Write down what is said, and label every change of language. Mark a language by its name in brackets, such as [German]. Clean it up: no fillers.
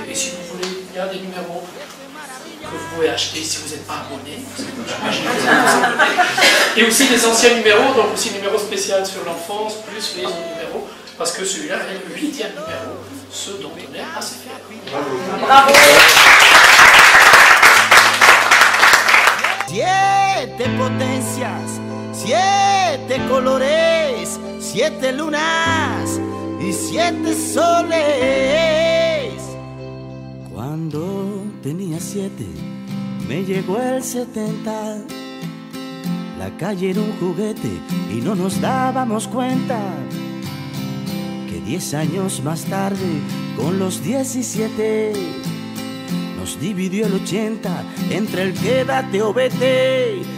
[French] Et si vous voulez, il y a des numéros que vous pouvez acheter si vous n'êtes pas abonné. Et aussi des anciens numéros, donc aussi numéro spécial sur l'enfance, plus les numéros, parce que celui-là est le 8e numéro, ce dont on est assez fier. Bravo. [Spanish] Siete potencias, siete colores, siete lunas y siete soles. Cuando tenía siete, me llegó el 70. La calle era un juguete y no nos dábamos cuenta que 10 años más tarde, con los 17, nos dividió el 80 entre el quédate o vete.